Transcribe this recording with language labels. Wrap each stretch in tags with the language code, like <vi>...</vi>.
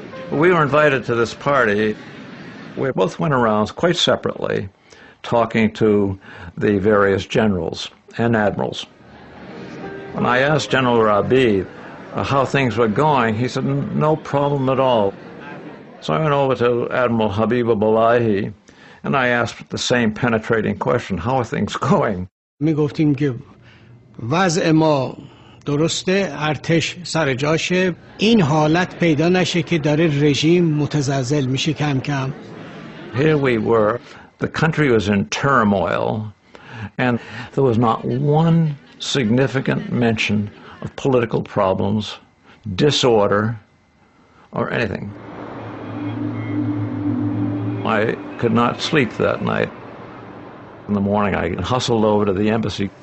<en>We were invited to this party. We both went around quite separately, talking to the various generals and admirals. When I asked General Rabi how things were going, he said, no problem at all. So I went over to Admiral Habib Abdullahi, and I asked the same penetrating question, how are things going?</en> <fa>می گفتیم که وضع ما درسته، ارتش سر جاشه، این حالت پیدا نشه که داره رژیم متزلزل میشه کم کم.</fa> <en>Here we were, the country was in turmoil, and there was not one significant mention of political problems, disorder, or anything. I could not sleep that night. In the morning, I hustled over to the embassy.</en>